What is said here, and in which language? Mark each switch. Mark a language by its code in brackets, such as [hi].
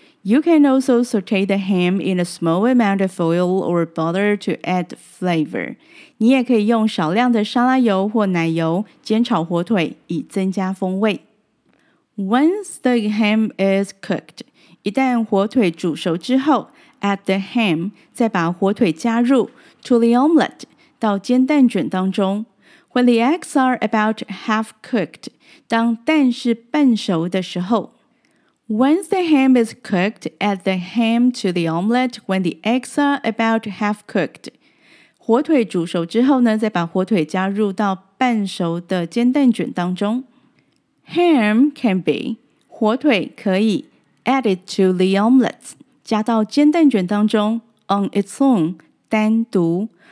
[en] You can also saute the ham in a small amount of oil or butter to add flavor. [zh] 你也可以用少量的沙拉油或奶油煎炒火腿以增加风味。 [en] Once the ham is cooked, [zh] 一旦火腿煮熟之后 [en] add the ham, [zh] 再把火腿加入 [en] to the omelette, [zh] 到煎蛋卷当中。 [en] When the eggs are about half cooked, [zh] 当蛋是半熟的时候 [en] Once the ham is cooked, add the ham to the omelette when the eggs are about half cooked. [zh] 火腿煮熟之后呢，再把火腿加入到半熟的煎蛋卷当中。 [en] Ham can be, [zh] 火腿可以 [en] add it to the omelette, [zh] 加到煎蛋卷当中 [en] on its own, [zh] 单独。